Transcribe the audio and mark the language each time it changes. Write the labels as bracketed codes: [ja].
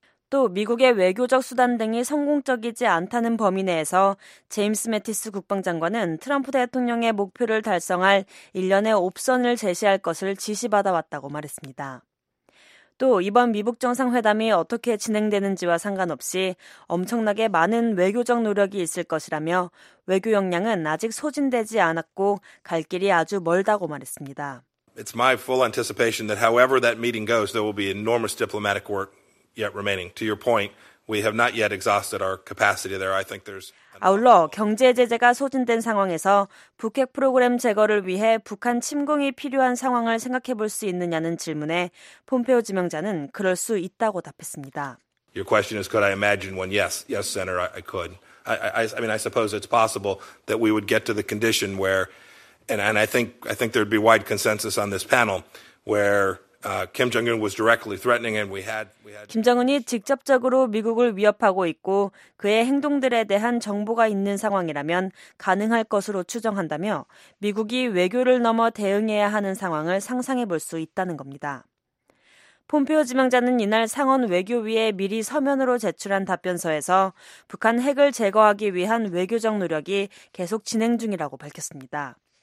[ko] 또 미국의 외교적 수단 등이 성공적이지 않다는 범위 내에서 제임스 매티스 국방장관은 트럼프 대통령의 목표를 달성할 일련의 옵션을 제시할 것을 지시받아왔다고 말했습니다. 또 이번 미북 정상회담이 어떻게 진행되는지와 상관없이 엄청나게 많은 외교적 노력이 있을 것이라며 외교 역량은 아직 소진되지 않았고 갈 길이 아주 멀다고 말했습니다. [en] It's my full anticipation that however that meeting goes, there will be enormous diplomatic work yet remaining. To your point, we have not yet exhausted our capacity there. I think there's [ko] 아울러 경제 제재가 소진된 상황에서 북핵 프로그램 제거를 위해 북한 침공이 필요한 상황을 생각해 볼 수 있느냐는 질문에 폼페오 지명자는 그럴 수 있다고 답했습니다. [en] Your question is, could I imagine one? Yes, Senator, I could. I mean, I suppose it's possible that we would get to the condition where, and I think there'd be wide consensus on this panel, where Kim Jong-un was directly threatening and we had [ko] 김정은이 직접적으로 미국을 위협하고 있고 그의 행동들에 대한 정보가 있는 상황이라면 가능할 것으로 추정한다며 미국이 외교를 넘어 대응해야 하는 상황을 상상해 볼 수 있다는 겁니다. 폼페오 지명자는 이날 상원 외교위에 미리 서면으로 제출한 답변서에서 북한 핵을 제거하기 위한 외교적 노력이 계속 진행 중이라고 밝혔습니다.